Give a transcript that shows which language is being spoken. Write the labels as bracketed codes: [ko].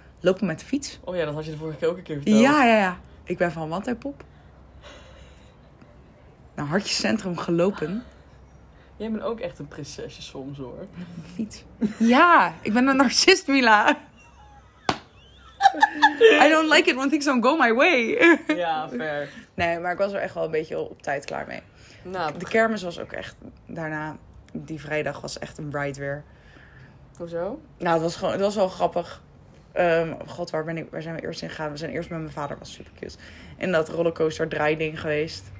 [nl] Lopen met de fiets. Oh ja, dat had je de vorige keer ook een keer verteld. Ja, ja, ja. Ik ben van Wantaipop naar Hartjescentrum gelopen. Jij bent ook echt een prinsesje soms, hoor. Een fiets. Ja, ik ben een narcist, Mila. [en] I don't like it when things don't go my way. [nl] Ja, fair. Nee, maar ik was er echt wel een beetje op tijd klaar mee. Nou, de kermis was ook echt... Daarna, die vrijdag was echt een ride weer. Hoezo? Nou, het was gewoon, het was wel grappig. God, waar zijn we eerst in gegaan? We zijn eerst met mijn vader, was super cute. In dat rollercoaster draaiding geweest.